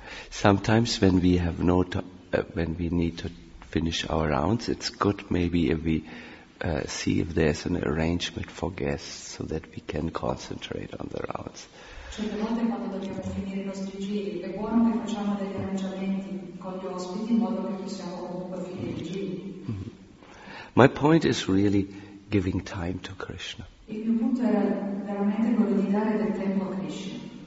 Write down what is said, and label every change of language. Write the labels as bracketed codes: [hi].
[en] Sometimes when we have no when we need to finish our rounds, it's good maybe if we see if there's an arrangement for guests so that we can concentrate on the rounds. [it] Certe volte quando dobbiamo finire i nostri giri, è buono che facciamo degli arrangiamenti con gli ospiti in modo che possiamo comunque finire i giri. [en] My point is really giving time to Krishna. [it] Il mio punto era veramente quello di dare del tempo a Krishna.